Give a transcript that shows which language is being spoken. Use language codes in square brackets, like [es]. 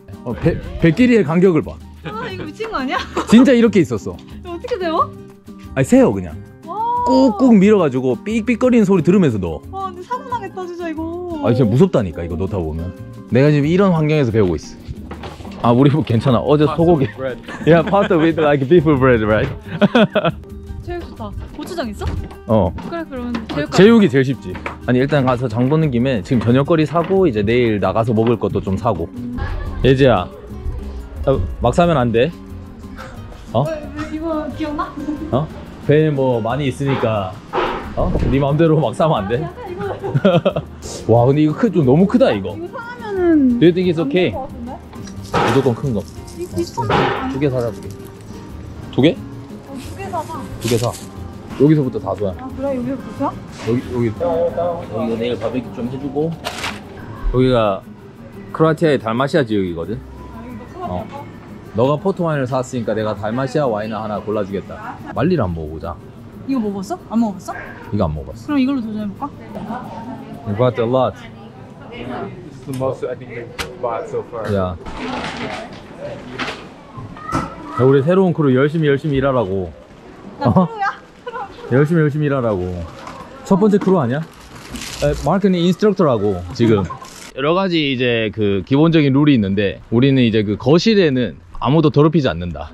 [ko] 어, 배끼리의 간격을 봐. 아, 이거 미친 거 아니야? 진짜 이렇게 있었어. 어떻게 세워? 아니, 세워, 그냥. 꾹꾹 밀어가지고 삑삑거리는 소리 들으면서 넣어. 와, 근데 사고 나겠다, 진짜 이거. 아, 진짜 무섭다니까, 이거 넣다 보면. 내가 지금 이런 환경에서 배우고 있어. 아, 우리 뭐 괜찮아. 어제 [en] pasta [ko] 소고기. [en] Yeah, pasta with like beef bread, right? [ko] 제일 좋다. 고추장 있어? 어. 그래, 그러면 제육. 제육이 제일 쉽지. 아니 일단 가서 장 보는 김에 지금 저녁거리 사고 이제 내일 나가서 먹을 것도 좀 사고. 예지야, 막 사면 안 돼. 어? 이거 기억나? 어? 배에 뭐 많이 있으니까 어? 네 마음대로 막 사면 안 돼. 와 근데 이거 크, 좀 너무 크다 이거. 이거 사면은 네, 이게 오케이. 무조건 큰 거. 두 개 사자 두 개. 두 개? 두 개 사. 여기서부터 다 줘야. 아 그래 여기서부터? 여기 여기가 내일 바베큐 좀 해주고. 여기가 크로아티아의 달마시아 지역이거든. 아 여기가 크로아티아. 너가 포트 와인을 샀으니까 내가 달마시아 와인을 하나 골라주겠다. 말리를 한번 먹어보자. 이거 먹었어? 안 먹었어? 이거 안 먹었어. 그럼 이걸로 도전해볼까? [en] You bought a lot. This is the most I think you've bought so far. Yeah. [ko] 야, 우리 새로운 크루 열심히 일하라고. 나 크루야? 열심히 일하라고. 첫 번째 크루 아니야? 마크는 인스트럭터라고 지금. 여러 가지 이제 그 기본적인 룰이 있는데 우리는 이제 그 거실에는 아무도 더럽히지 않는다.